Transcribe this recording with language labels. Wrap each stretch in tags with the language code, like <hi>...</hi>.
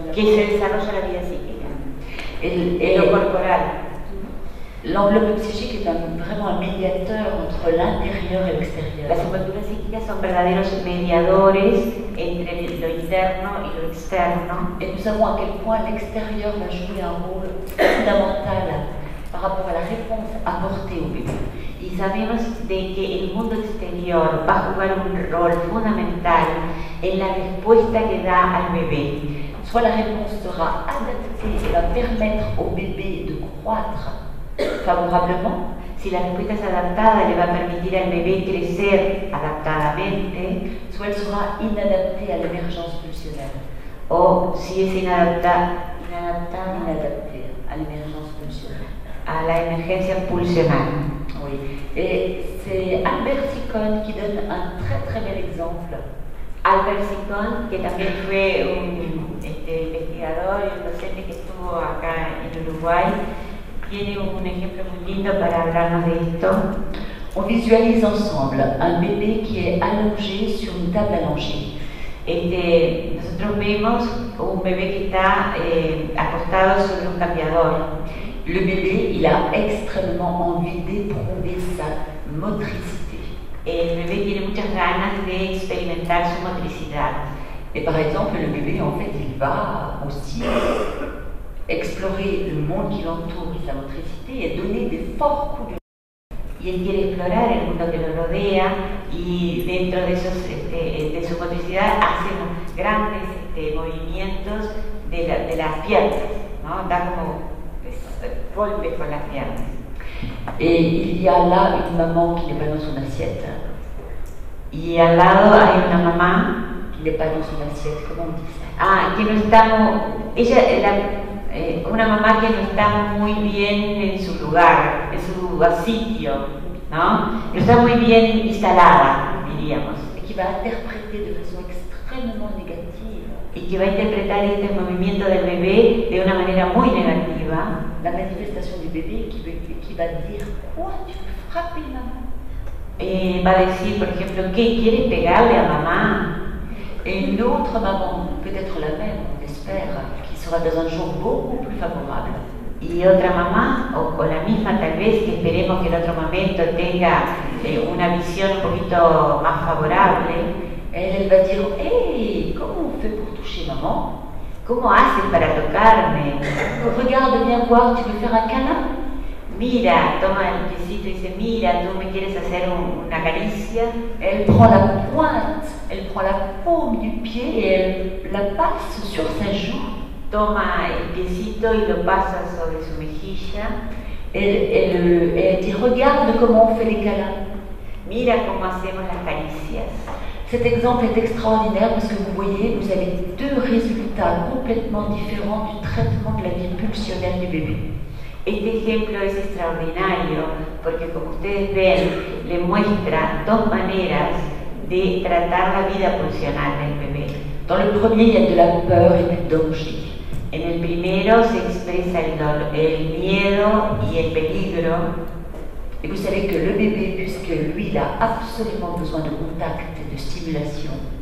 <es>que se desarrolla la vida psíquica, en lo corporal.</es> <fr>L'enveloppe psychique est vraiment un médiateur entre l'intérieur et l'extérieur.</fr> <es>Las envolturas psíquicas son verdaderos mediadores entre lo interno y lo externo.</es> <fr>Et nous savons à quel point l'extérieur va jouer un rôle fondamental par rapport à la réponse apportée au bébé.</fr> <es>Y sabemos de que el mundo exterior va a jugar un rol fundamental en la respuesta que da al bebé.</es> <fr>Soit la réponse sera adaptée et va permettre au bébé de croître favorablement,</fr> <es>si la respuesta es adaptada, le va a permitir al bebé crecer adaptadamente, o él será inadaptado a la emergencia pulsional. O si es inadaptado a la emergencia pulsional. A la emergencia pulsional.</es> <fr>Oui. Et c'est Albert Sicón qui donne un très très bel exemple.</fr> <es>Albert Sicón, que también fue un investigador y un docente que estuvo acá en Uruguay, tiene un ejemplo muy lindo para hablarnos de esto.</es> <fr>On visualise ensemble un bébé qui est allongé sur une table allongée.</fr> <es>Nosotros vemos un bebé que está acostado sobre un cambiador.</es> <fr>Le bébé, il a extrêmement envie d'éprouver sa motricité. Et le bébé</fr> <es>tiene muchas ganas de experimentar su motricidad.</es> <fr>Et par exemple, le bébé, en fait, il va aussi explorer le monde qui l'entoure, sa motricité, et donner des forts coups de</fr> <es>y él quiere explorar el mundo que lo rodea y dentro de esos de su motricidad hace grandes movimientos de las piernas, ¿no? Da como golpes con las piernas.</es> <fr>Et il y a là une maman qui n'est pas dans son assiette.</fr> <es>Y al lado hay una mamá que no está en su asiento, ¿cómo dice? Ah, que no está, ella, la, una mamá que no está muy bien en su lugar, en su sitio, ¿no? No está muy bien instalada, diríamos. Y que va a interpretar de forma extremadamente negativa. Y que va a interpretar este movimiento del bebé de una manera muy negativa. La manifestación del bebé que va a decir, ¿cuál? ¿Tú vas a frapper a mamá? Va a decir, por ejemplo, ¿qué quiere pegarle a mamá?</es> <fr>Une autre maman, peut-être la même, on espère, qui sera dans un jour beaucoup plus favorable.</fr> <es>Y otra mamá, o la misma tal vez, que esperemos que en otro momento tenga una visión un poquito más favorable.</es> <fr>Elle va dire, hey, comment on fait pour toucher maman?</fr> <es>¿Cómo haces para tocarme?</es> <fr>Regarde bien voir, tu veux faire un câlin?</fr> <es>Mira, toma el piecito y dice, mira, tú me quieres hacer una caricia.</es> <fr>Elle prend la pointe, elle prend la paume du pied et elle la passe sur sa joue.</fr> <es>Toma el piecito y lo pasa sobre su mejilla.</es> <fr>Elle dit, regarde comment on fait les câlins.</fr> <es>Mira cómo hacemos las caricias.</es> <fr>Cet exemple est extraordinaire parce que vous voyez, vous avez deux résultats complètement différents du traitement de la vie pulsionnelle du bébé.</fr> <es>Este ejemplo es extraordinario porque, como ustedes ven, le muestra dos maneras de tratar la vida pulsional del bebé.</es> <fr>Dans le premier, il y a de la peur et du danger.</fr> <es>En el primero se expresa el miedo y el peligro.</es> <fr>Et vous savez que le bébé, puisque lui, il a absolument besoin de contact et de stimulation.</fr>